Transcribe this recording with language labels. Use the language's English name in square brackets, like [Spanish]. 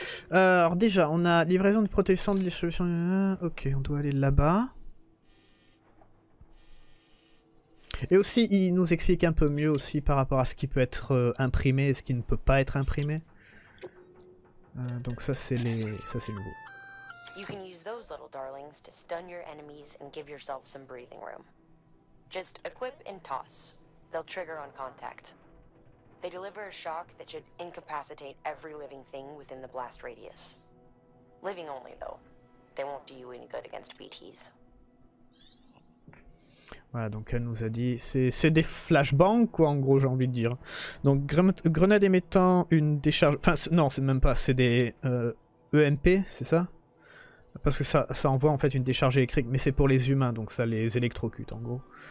[French] Alors déjà, on a livraison de protection de distribution. Ok, on doit aller là-bas. Et aussi, il nous explique un peu mieux aussi par rapport à ce qui peut être imprimé et ce qui ne peut pas être imprimé. Donc ça, c'est les... ça, c'est nouveau. [English] You can use those little darlings to stun your enemies and give yourself some breathing room. Just equip and toss. They'll trigger on contact. They deliver a shock that should incapacitate every living thing within the blast radius. Living only, though. They won't do you any good against BTs. [French] Voilà, donc elle nous a dit... C'est des flashbangs, quoi, en gros, j'ai envie de dire. Donc, grenade émettant une décharge... Enfin, non, c'est même pas... C'est des EMP, c'est ça? Parce que ça envoie en fait une décharge électrique, mais c'est pour les humains, donc ça les électrocute en gros.